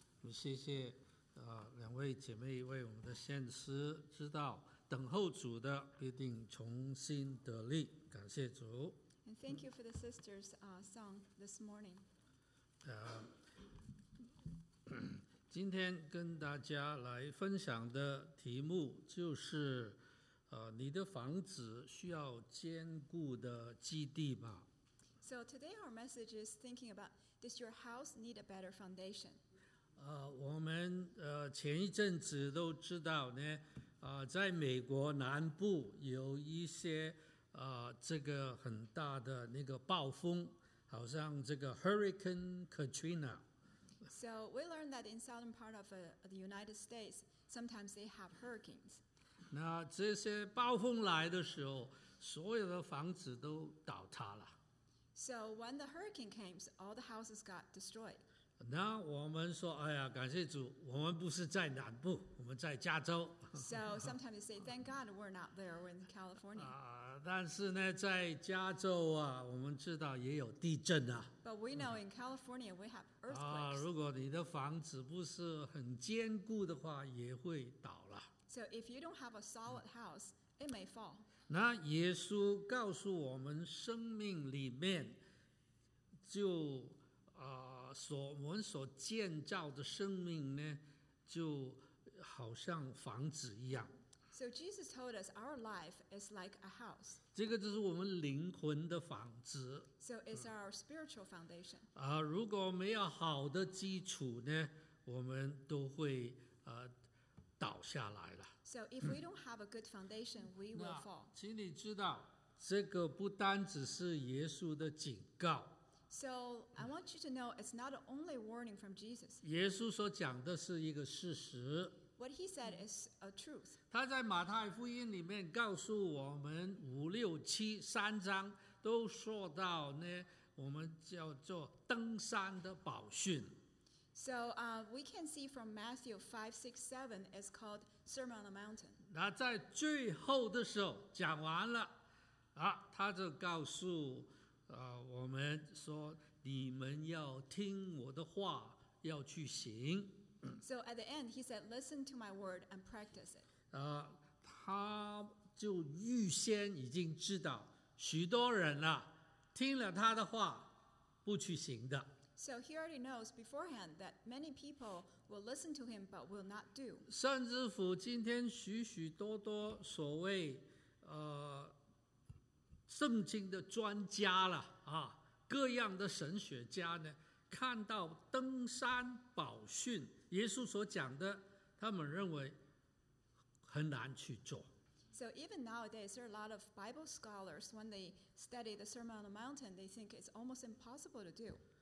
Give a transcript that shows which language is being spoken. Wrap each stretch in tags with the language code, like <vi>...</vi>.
<zh>谢谢两位姐妹为我们的献诗之道，等候主的必定重新得力，感谢主。</zh> <en>And thank you for the sisters' song this morning.</en> <zh>今天跟大家来分享的题目就是你的房子需要坚固的基地吧。</zh> <en>So today our message is thinking about, does your house need a better foundation?</en> <zh>我们前一阵子都知道呢，在美国南部有一些这个很大的那个暴风，好像这个 Hurricane Katrina。</zh> <en>So we learned that in southern part of the United States, sometimes they have hurricanes.</en> <zh>那这些暴风来的时候，所有的房子都倒塌了。</zh> <en>So when the hurricane came, all the houses got destroyed.</en> <zh>那我们说，哎呀，感谢主，我们不是在南部，我们在加州。</zh> <en>So sometimes they say, thank God we're not there, we're in California.</en> <zh>但是呢，在加州啊，我们知道也有地震啊。</zh> <en>But we know in California we have earthquakes.</en> <zh>如果你的房子不是很坚固的话，也会倒了。</zh> <en>So if you don't have a solid house,It may fall.</en> <zh>那耶稣告诉我们，生命里面就我们所建造的生命呢，就好像房子一样。</zh> <en>So Jesus told us our life is like a house.</en> <zh>这个就是我们灵魂的房子。</zh> <en>So it's our spiritual foundation.</en> <zh>如果没有好的基础呢，我们都会倒下来了。</zh> <en>So if we don't have a good foundation, we will fall.</en> <zh>请你知道，这个不单只是耶稣的警告。</zh> <en>So I want you to know it's not only warning from Jesus.</en> <zh>耶稣所讲的是一个事实。</zh> <en>What he said is a truth.</en> <zh>他在马太福音里面告诉我们五六七三章都说到呢，我们叫做登山的宝训。</zh> <en>So we can see from Matthew 5, 6, 7, it's called Sermon on the Mountain.</en> <zh>那在最后的时候讲完了，他就告诉我们说，你们要听我的话，要去行。</zh> <en>So at the end, he said, listen to my word and practice it.</en> <zh>他就预先已经知道许多人听了他的话不去行的。</zh> <en>So he already knows beforehand that many people will listen to him but will not do.</en> <zh>甚至乎今天许许多多所谓圣经的专家了各样的神学家呢，看到登山宝训耶稣所讲的，他们认为很难去做。</zh> <en>So even nowadays, there are a lot of Bible scholars when they study the Sermon on the Mountain, they think it's almost impossible to do.</en>